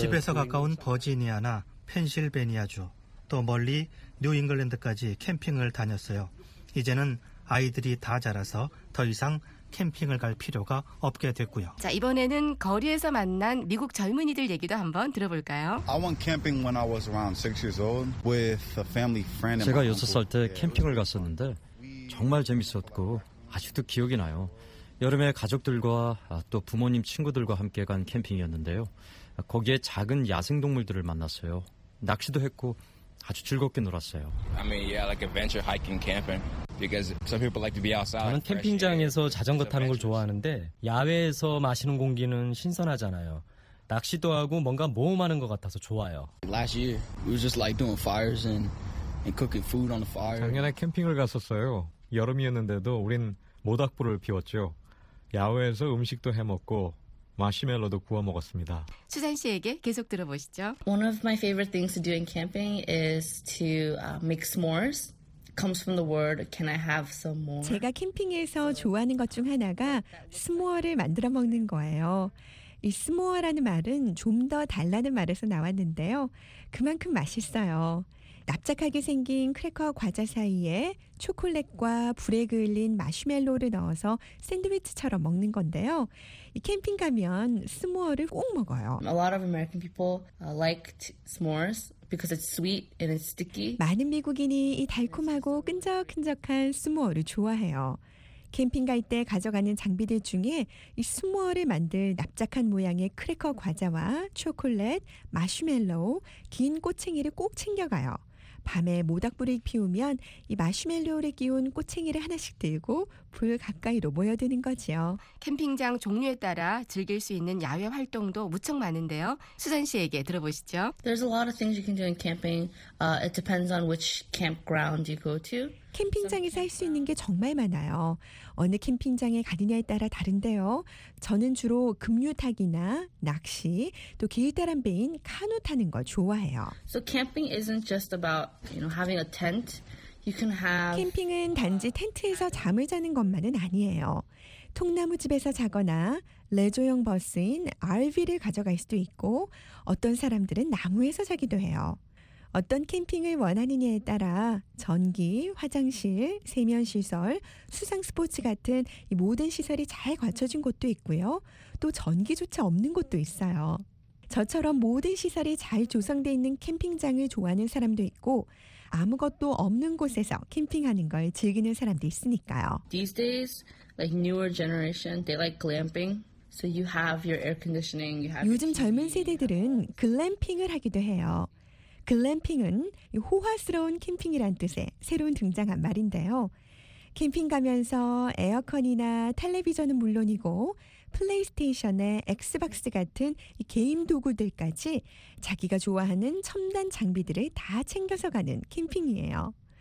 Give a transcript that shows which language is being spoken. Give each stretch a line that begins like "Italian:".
Korean: 집에서 가까운 버지니아나 펜실베니아주 또 멀리 뉴잉글랜드까지 캠핑을 다녔어요. 이제는 아이들이 다 자라서 더 이상 캠핑을 갈 필요가 없게 됐고요. 자, 이번에는 거리에서 만난 미국 젊은이들 얘기도 한번 들어볼까요?
English: I went camping when I was around 6 years old with a family friend.
Korean: 제가 6살 때 캠핑을 갔었는데 정말 재밌었고 아직도 기억이 나요. 여름에 가족들과 또 부모님 친구들과 함께 간 캠핑이었는데요. 거기에 작은 야생동물들을 만났어요. 낚시도 했고 아주 즐겁게 놀았어요.
English: I mean, yeah, like adventure hiking camping. Because some people like to be outside.
Korean: 저는 캠핑장에서 자전거 타는 걸 좋아하는데 야외에서 마시는 공기는 신선하잖아요. 낚시도 하고 뭔가 모험하는 것 같아서 좋아요.
English: Last year, we was just like doing fires and cooking food on the fire.
Korean: 작년에 캠핑을 갔었어요. 여름이었는데도 우린 모닥불을 피웠죠. 야외에서 음식도 해먹고 마시멜로도 구워 먹었습니다. 수잔 씨에게 계속 들어보시죠.
English: One of my favorite things to do in camping is to make s'mores. Comes from the word, can I have some more?
Korean: 제가 캠핑에서 좋아하는 것 중 하나가 스모어를 만들어 먹는 거예요. 이 스모어라는 말은 좀 더 달라는 말에서 나왔는데요. 그만큼 맛있어요. 납작하게 생긴 크래커 과자 사이에 초콜릿과 불에 그을린 마시멜로를 넣어서 샌드위치처럼 먹는 건데요. 이 캠핑 가면 스모어를 꼭 먹어요.
English: A lot of American people like s'mores because it's sweet and it's sticky.
Korean: 많은 미국인이 이 달콤하고 끈적끈적한 스모어를 좋아해요. 캠핑 갈 때 가져가는 장비들 중에 이 스모어를 만들 납작한 모양의 크래커 과자와 초콜릿, 마시멜로, 긴 꼬챙이를 꼭 챙겨가요. 밤에 모닥불을 피우면 이 마시멜로를 끼운 꼬챙이를 하나씩 들고 불 가까이로 모여드는 거지요. 캠핑장 종류에 따라 즐길 수 있는 야외 활동도 무척 많은데요. 수잔 씨에게 들어보시죠.
English: There's a lot of things you can do in camping. It depends on which campground you go to.
Korean: 캠핑장에서 할 수 있는 게 정말 많아요. 어느 캠핑장에 가느냐에 따라 다른데요. 저는 주로 급류타기나 낚시, 또 길다란배인 카누 타는 걸 좋아해요.
English: So camping isn't just about, you know, having a tent. You can have
Korean: 캠핑은 단지 텐트에서 잠을 자는 것만은 아니에요. 통나무집에서 자거나 레조용 버스인 RV를 가져갈 수도 있고 어떤 사람들은 나무에서 자기도 해요. 어떤 캠핑을 원하느냐에 따라 전기, 화장실, 세면시설, 수상스포츠 같은 이 모든 시설이 잘 갖춰진 곳도 있고요. 또 전기조차 없는 곳도 있어요. 저처럼 모든 시설이 잘 조성되어 있는 캠핑장을 좋아하는 사람도 있고 아무것도 없는 곳에서 캠핑하는 걸 즐기는 사람도 있으니까요.
English: These days, like newer generation, they like glamping. So you have your air conditioning. You have
Korean: 요즘 젊은 세대들은 글램핑을 하기도 해요. 글램핑은 호화스러운 캠핑이란 뜻의 새로운 등장한 말인데요. 캠핑 가면서 에어컨이나 텔레비전은 물론이고 플레이스테이션에 엑스박스 같은 이 게임 도구들까지 자기가 좋아하는 첨단 장비들을 다 챙겨서 가는 캠핑이에요.